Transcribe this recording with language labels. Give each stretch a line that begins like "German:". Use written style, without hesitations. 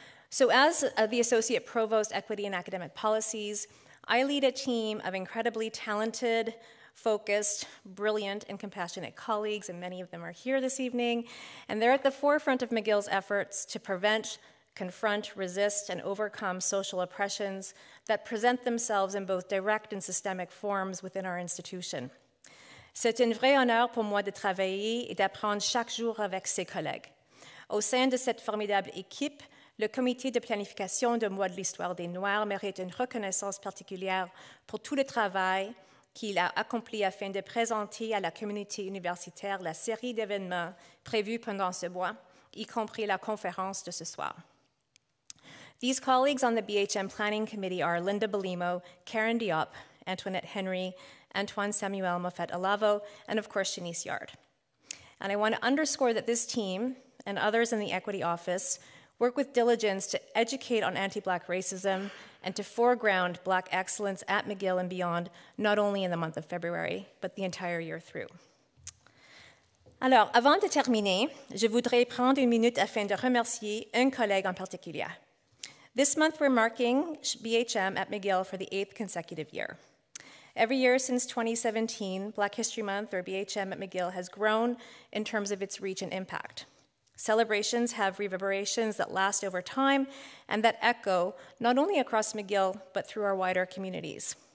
English: So as the Associate Provost, Equity and Academic Policies, I lead a team of incredibly talented, focused, brilliant, and compassionate colleagues, and many of them are here this evening, and they're at the forefront of McGill's efforts to prevent, confront, resist, and overcome social oppressions that present themselves in both direct and systemic forms within our institution.
French: C'est un vrai honneur pour moi de travailler et d'apprendre chaque jour avec ses collègues. Au sein de cette formidable équipe, le comité de planification du mois de l'histoire des Noirs mérite une reconnaissance particulière pour tout le travail qu'il a accompli afin de présenter à la communauté universitaire la série d'événements prévus pendant ce mois, y compris la conférence de ce soir.
English: These colleagues on the BHM Planning Committee are Linda Belimo, Karen Diop, Antoinette Henry, Antoine Samuel Moffett-Alavo, and of course, Shanice Yarde. And I want to underscore that this team and others in the Equity Office work with diligence to educate on anti-Black racism and to foreground Black excellence at McGill and beyond, not only in the month of February, but the entire year through.
French: Alors, avant de terminer, je voudrais prendre une minute afin de remercier un collègue en particulier.
English: This month, we're marking BHM at McGill for the 8th consecutive year. Every year since 2017, Black History Month, or BHM at McGill, has grown in terms of its reach and impact. Celebrations have reverberations that last over time and that echo not only across McGill, but through our wider communities.